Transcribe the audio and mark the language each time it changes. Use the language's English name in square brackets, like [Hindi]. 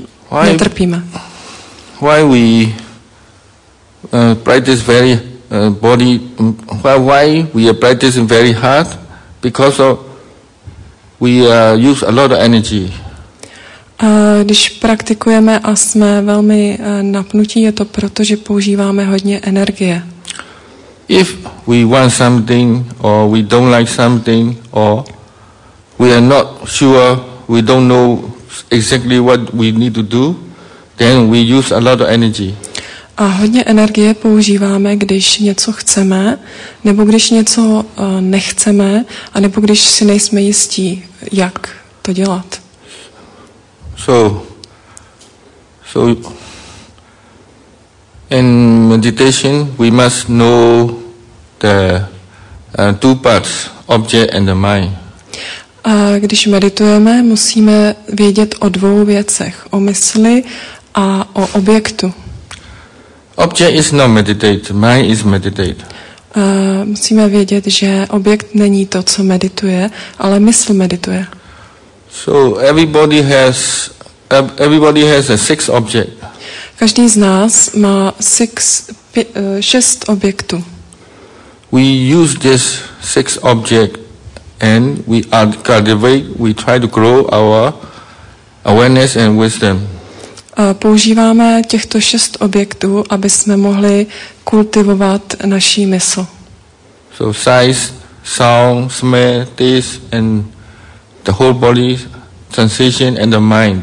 [English] Why we practice very hard? Because of we use a lot of energy. [Czech] Když praktikujeme a jsme velmi napnutí, je to proto, že používáme hodně energie. [English] If we want something or we don't like something or we are not sure, we don't know exactly what we need to do, then we use a lot of energy. [Czech] A hodně energie používáme, když něco chceme, nebo když něco nechceme, a nebo když si nejsme jistí, jak to dělat. [English] So in meditation we must know the two parts, object and the mind. [Czech] A když meditujeme, musíme vědět o dvou věcech, o mysli a o objektu. [English] Object is not meditate, mind is meditate. [Czech] Musíme vědět, že objekt není to, co medituje, ale mysl medituje. [English] So everybody has a six object. [Czech] Každý z nás má šest objektů. [English] We use this six object and we cultivate, we try to grow our awareness and wisdom. [Czech] Používáme těchto šest objektů, aby jsme mohli kultivovat naši mysl. [English] So size, sound, smell, taste and the whole body, sensation and the mind.